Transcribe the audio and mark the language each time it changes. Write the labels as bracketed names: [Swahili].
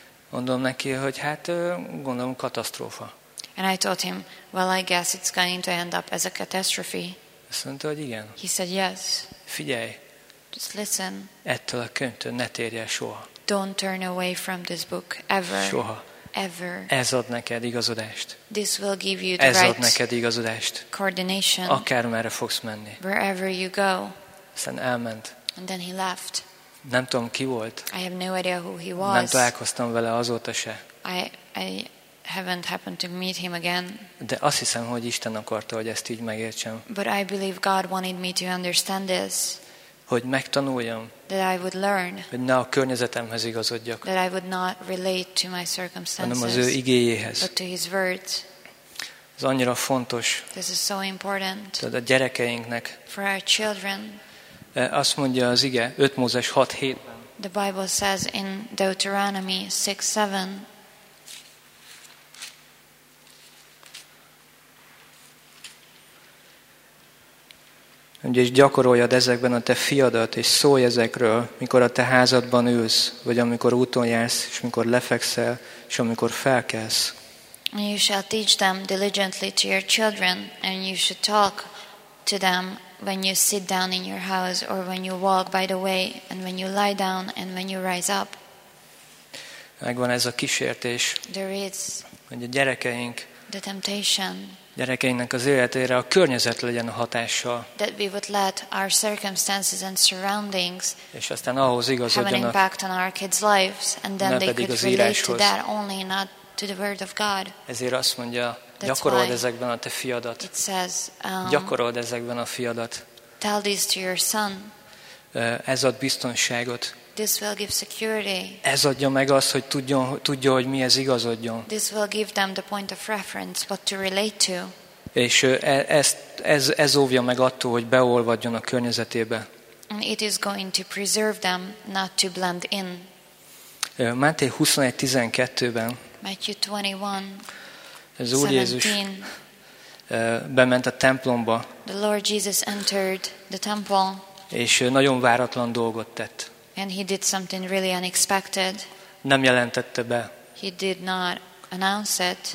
[Hungarian] Mondom neki, hogy hát gondolom katasztrófa. [English] And I told him, well, I guess it's going to end up as a catastrophe. [Hungarian] Azt mondta, hogy igen. [English] He said yes. [Hungarian] Figyelj. [English] Just listen. [Hungarian] Ettől a könyvtől ne térj el soha. [English] Don't turn away from this book ever. [Hungarian] Soha. [English] Ever. [Hungarian] Ez ad neked igazodást. [English] This will give you the right. [Hungarian] Ez ad neked igazodást. [English] Coordination. [Hungarian] Akármerre fogsz menni. [English] Wherever you go. [Hungarian] Aztán elment. [English] And then he left. [Hungarian] Nem tudom, ki volt. [English] I have no idea who he was. [Hungarian] Nem találkoztam vele azóta se. [English] I haven't happened to meet him again. [Hungarian] De azt hiszem, hogy Isten akarta, hogy ezt így megértsem. [English] But I believe God wanted me to understand this. [Hungarian] Hogy megtanuljam. [English] That I would learn. [Hungarian] Hogy ne a környezetemhez igazodjak. [English] That I would not relate to my circumstances. [Hungarian] Hanem az ő igéjéhez. [English] But to his words. [Hungarian] Ez annyira fontos. [English] This is so important. [Hungarian] Tehát a gyerekeinknek. [English] For our children. [Hungarian] Azt mondja az ige, 5 Mózes 6-7-ben. [English] The Bible says in Deuteronomy 6-7. [Hungarian] És gyakoroljad ezekben a te fiadat, és szólj ezekről, mikor a te házadban ülsz, vagy amikor úton jársz, és mikor lefekszel, és amikor felkelsz. [English] You shall teach them diligently to your children, and you should talk to them when you sit down in your house, or when you walk by the way, and when you lie down, and when you rise up. [Hungarian] Megvan ez a kísértés, [English] there is [Hungarian] hogy a gyerekeink, [English] the temptation, [Hungarian] gyerekeinknek az életére a környezet legyen a hatással. [English] That we would let our circumstances and surroundings [Hungarian] és aztán ahhoz igazodjanak, [English] have an impact on our kids' lives, and then they could relate to that only, not to the word of God. [Hungarian] Ezért azt mondja, gyakorold ezekben a te fiadat. [English] It says, [Hungarian] gyakorold ezekben a fiadat. [English] Tell this to your son. [Hungarian] Ez ad biztonságot. [English] This will give security. [Hungarian] Ez adja meg azt, hogy tudja, hogy mi ez igazodjon. [English] This will give them the point of reference, what to relate to. [Hungarian] És ez óvja meg attól, hogy beolvadjon a környezetébe. [English] And it is going to preserve them, not to blend in. [Hungarian] Máté 21:12-ben. [English] Matthew 21. [Hungarian] Az Úr Jézus bement a templomba. [English] The Lord Jesus entered the temple. [Hungarian] És nagyon váratlan dolgot tett. [English] And he did something really unexpected. [Hungarian] Nem jelentette be. [English] He did not announce it.